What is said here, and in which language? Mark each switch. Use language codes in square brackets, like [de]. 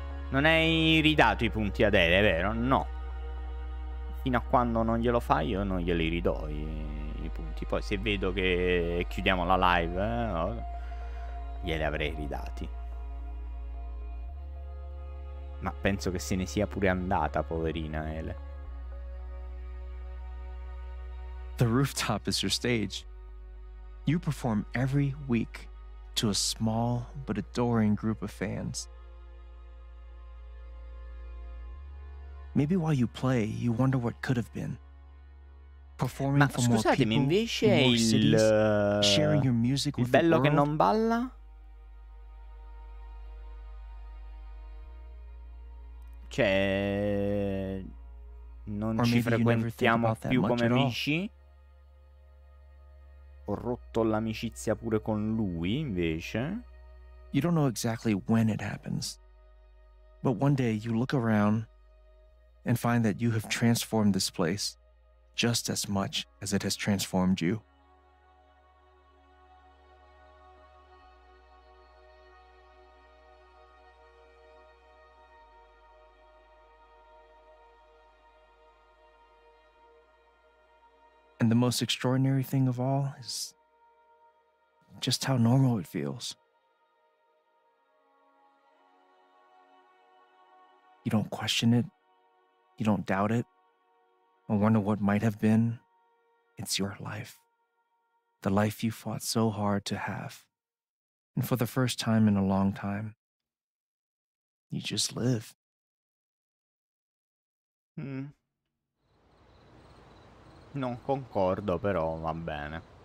[it] Non hai ridato i punti ad Ele, vero? No. Fino a quando non glielo fai, io non glieli ridò i punti. Poi se vedo che chiudiamo la live, glieli avrei ridati. Ma penso che se ne sia pure andata, poverina Ele. [en] The rooftop is your stage. You perform every week to a small but adoring group of fans. Maybe while you play, you wonder what could have been. Performing for more people, more cities, sharing your music with the world. [it] Il bello che non balla? Cioè, non ci frequentiamo più come amici? Ho rotto l'amicizia pure con lui, invece. [en] You don't know exactly when it happens, but one day you look around and find that you have transformed this place just as much as it has transformed you. And the most extraordinary thing of all is just how normal it feels. You don't question it. You don't doubt it. Or wonder what might have been. It's your life. The life you fought so hard to have. And for the first time in a long time, you just live. [it] Non concordo, però va bene.